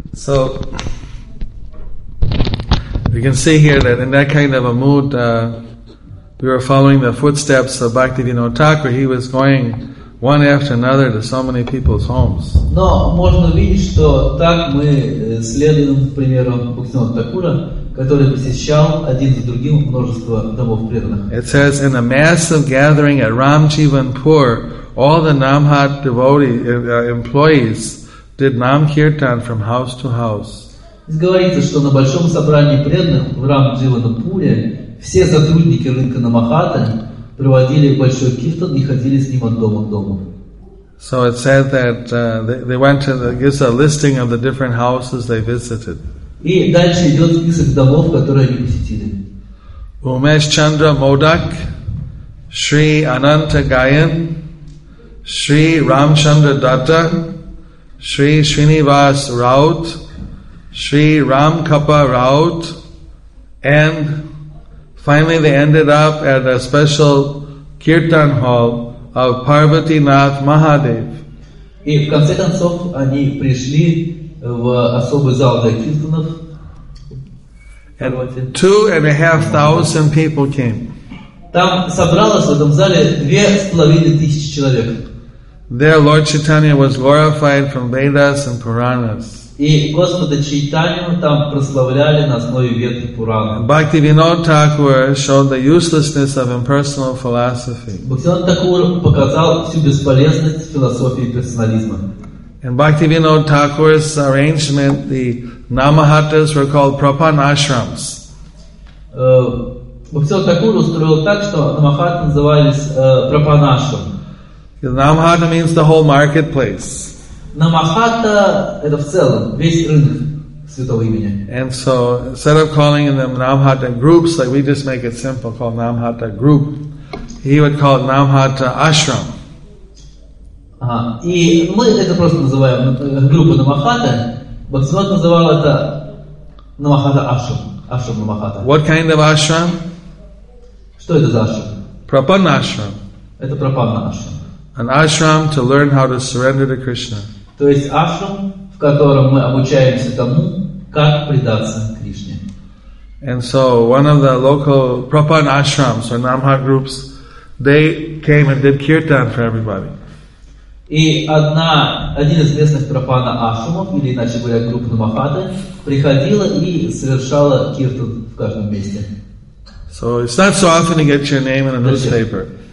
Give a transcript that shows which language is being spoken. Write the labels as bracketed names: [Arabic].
[English] So we can see here that in that kind of a mood, we were following the footsteps of Bhaktivinoda Thakur. He was going one after another to so many people's homes. [Russian] Но можно видеть, что так мы следуем примеру Бхактивинода Такура, который посещал один за другим множество домов преданных. [English] It says in a massive gathering at Ramjivanpur, all the Namhat devotee employees did Nam Kirtan from house to house. [Russian] Говорится, что на большом собрании преданных в Рамдживанапуре все сотрудники рынка Намахата проводили большой киртан и ходили с ним от дома к дому. [English] So it said that they went to the, gives a listing of the different houses they visited. [Russian] И дальше идет список домов, которые они посетили. [English] Умеш Чандра Модак, Шри Ананта Гаян, Шри Рамчандра Датта, Шри Шринивас Раут, Шри Рамкапа Раут, and finally they ended up at a special Kirtan hall of Parvati Nath Mahadev. [Russian] И в конце концов они пришли в особый зал для киртанов. [English] And 2,500 people came. [Russian] Там собралось в этом зале 2,500 человек. [English] There Lord Chaitanya was glorified from Vedas and Puranas. [Russian] И Господа Чайтанью там прославляли на основе Вед и Пурана. [English] Бхактивинода Тхакур showed the uselessness of impersonal philosophy. [Russian] Бхактивинода Тхакур показал всю бесполезность философии персонализма. [English] In Бхактивинода Тхакур's arrangement, the Намахатас were called Прапанашрамс. [Russian] Бхактивинода Тхакур устроил так, что Намахаты назывались Прапанашрам. [English] Намахата means the whole marketplace. [Russian] Намахата — это в целом, весь рынок святого имени. [English] And so, instead of calling them Намахата groups, like we just make it simple, call Намахата group, he would call Намахата ашрам. [Russian] И мы это просто называем группа Намахата, Бхактивинода называл это Намахата ашрам, ашрам Намахата. [English] What kind of ашрам? [Russian] Что это за ашрам? [English] Прапанна ашрам. [Russian] Это прапанна ашрам. [English] An ashram to learn how to surrender to Krishna. [Russian] То есть ашрам, в котором мы обучаемся тому, как предаться Кришне. [English] And so one of the local Prapan ashrams or Namhat groups, they came and did kirtan for everybody. [Russian] И один из местных Prapana ашрамов, или иначе говоря, группа Намахаты, приходила и совершала киртан в каждом месте. [English] So it's not so often to get your name in a newspaper.